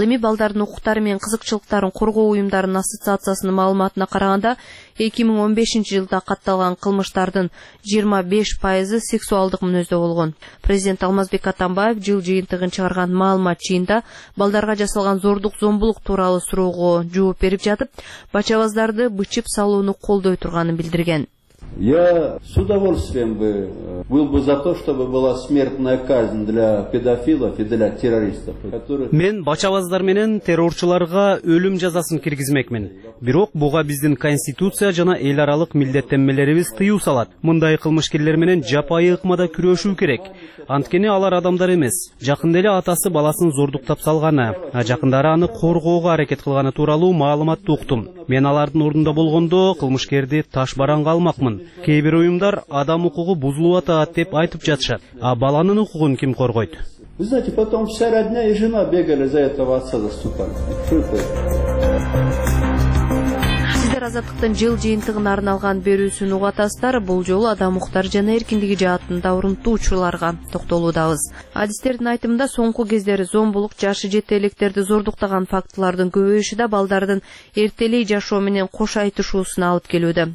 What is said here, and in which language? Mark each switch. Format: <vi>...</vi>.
<ky>Ал эми балдардын укуктары менен кызыкчылыктарын коргоо уюмдарынын ассоциациясынын маалыматына караганда 2015-жылда катталган кылмыштардын 25% сексуалдык мүнөздө болгон. Президент Алмазбек Атамбаев жыл жыйынтыгын чыгарган маалымат жыйында балдарга жасалган зордук зомбулук тууралуу суроого жооп берип жатып, бачабаздарды бычып салууну колдой турганын билдирген.</ky> <ru>Я с удовольствием бы был бы за то, чтобы была смертная казнь для педофилов и для террористов.</ru> <ky>Мен бачабаздар менен террорчуларга өлүм жазасын киргизмекмин. Бирок буга биздин конституция жана эл аралык милдеттенмелерибиз тыюу салат. Мындай кылмышкерлер менен жапайы ыкмада күрөшүү керек. Анткени алар адамдар эмес. Жакында эле атасы баласын зордуктап салганы, а жакындары аны коргоого аракет кылганы тууралуу маалыматты уктум. Мен алардын ордунда болгондо кылмышкерди таш бараңга алмак. Кээ бир уюмдар адам укугу бузулуп атат деп айтып жатышат. А баланын укугун ким коргойт?</ky> <ru>Вы знаете, потом вся родня и жена бегали за этого отца заступать.</ru> <ky>Сиздер азаттыктын жыл жыйынтыгына арналган берүүсүн угатасыздар. Бул жолу адам укуктары жана эркиндиги жаатында урунтуучуларга токтолуудабыз. Адистердин айтымында соңку кездери зомбулук, жашы жете электерди зордуктаган фактылардын көбөйүшү да балдардын эртелей жашоо менен кош айтышуусуна алып келүүдө.</ky>